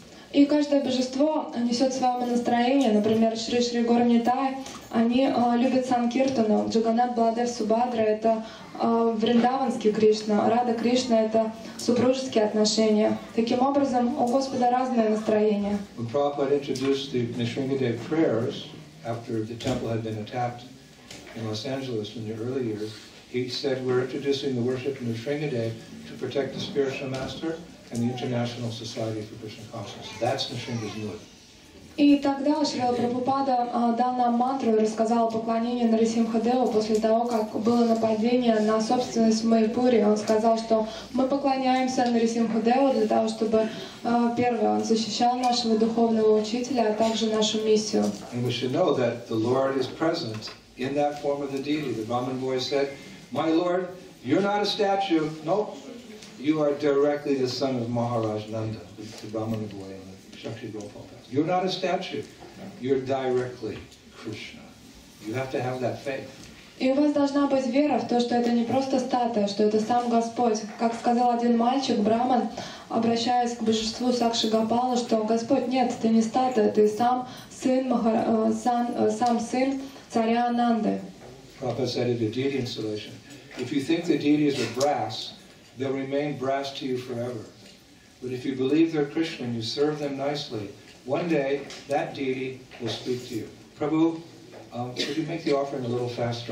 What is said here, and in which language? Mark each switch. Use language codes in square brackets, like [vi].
[ru] И каждое божество несет свое настроение. Например, Шри Шри Гор Нитай, они любят Санкиртану. Джаганат Баладев Субадра — это вриндаванский Кришна. Рада Кришна — это супружеские отношения. Таким образом, у Господа разное настроение. [en] When Prabhupada introduced the Nisringadev prayers after the temple had been attacked in Los Angeles in the early years, he said, we're introducing the worship of Nisringadev to protect the spiritual master and the International Society for Krishna Consciousness. That's Nisringa's mood. [ru] И тогда Шрила Прабхупада дал нам мантру и рассказал о поклонении Нарисимхадеву после того, как было нападение на собственность в Майпуре. Он сказал, что мы поклоняемся Нарисимхадеву для того, чтобы, первое, он защищал нашего духовного учителя, а также нашу миссию. [en] And we should know that the Lord is present in that form of the deity. The Brahmin boy said, my Lord, you're not a statue. Nope. You are directly the son of Maharaj Nanda, the Brahmana boy and the Shakti Gopal Das. You're not a statue. You're directly Krishna. You have to have that faith. [ru] И у вас должна быть вера в то, что это не просто статуя, что это сам Господь. Как сказал один мальчик, Браман, обращаясь к божеству Сакши Гопала, что Господь, нет, ты не статуя, ты сам сын, сам сын царя Ананды. [en] Prabhupada said it in deity installation. If you think the deities are brass, they'll remain brass to you forever. But if you believe they're Krishna and you serve them nicely, one day that deity will speak to you. Prabhu, could you make the offering a little faster?